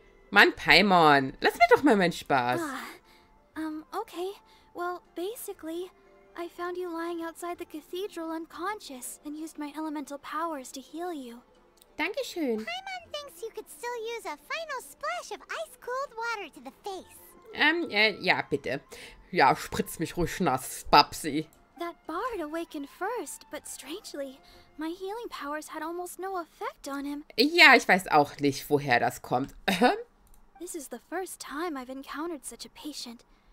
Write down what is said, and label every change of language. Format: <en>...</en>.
<de>Mann, Paimon, lass mir doch mal meinen Spaß.</de> <en>Okay. Well, basically, I found you lying outside the cathedral unconscious and used my elemental powers to heal you.</en> <de>Dankeschön.</de> <en>Paimon thinks you could still use a final splash of ice-cooled water to the face.</en> <de>Ja, bitte. Ja, spritz mich ruhig nass, Babsi.</de> <en>That bard awakened first, but strangely, my healing powers had almost no effect on him.</en> <de>Ja, ich weiß auch nicht, woher das kommt.</de> <en>This is the first time I've encountered such a patient.</en>